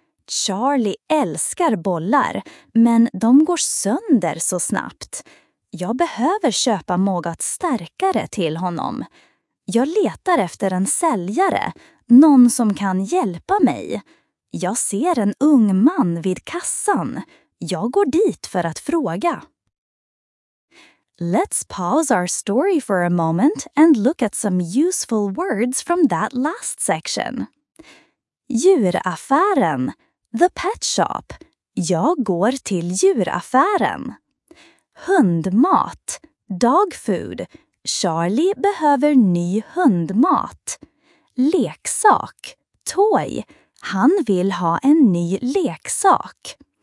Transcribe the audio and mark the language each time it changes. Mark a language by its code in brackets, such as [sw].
[sv] Charlie älskar bollar, men de går sönder så snabbt. Jag behöver köpa något starkare till honom. Jag letar efter en säljare, någon som kan hjälpa mig. Jag ser en ung man vid kassan. Jag går dit för att fråga. [en] Let's pause our story for a moment and look at some useful words from that last section. Djuraffären, the pet shop. [sv] Jag går till djuraffären. Hundmat, [en] dog food. [sv] Charlie behöver ny hundmat. Leksak, toy. Han vill ha en ny leksak.